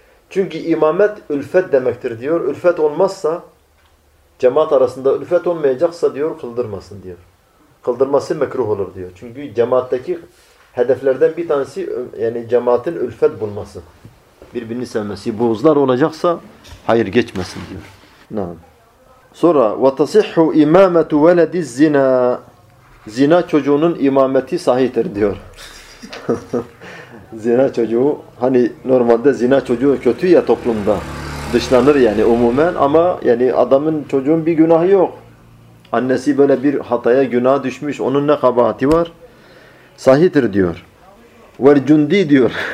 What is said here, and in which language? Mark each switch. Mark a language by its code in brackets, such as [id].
[tr] Çünkü imamet ülfet demektir diyor. Ülfet olmazsa, cemaat arasında ülfet olmayacaksa diyor, kıldırmasın diyor. Kıldırması mekruh olur diyor. Çünkü cemaatteki hedeflerden bir tanesi yani cemaatin ülfet bulması. Birbirini sevmesi. Buğuzlar olacaksa hayır geçmesin diyor. Naam. Sonra [ar] وَتَصِحُّ اِمَامَةُ وَلَدِ الزِّنَا. [tr] Zina çocuğunun imameti sahihtir diyor. Zina çocuğu, hani normalde zina çocuğu kötü ya toplumda, dışlanır yani umumen, ama yani adamın çocuğun bir günahı yok. Annesi böyle bir hataya, günaha düşmüş, onun ne kabahati var? Sahihtir diyor. Ve cundi diyor.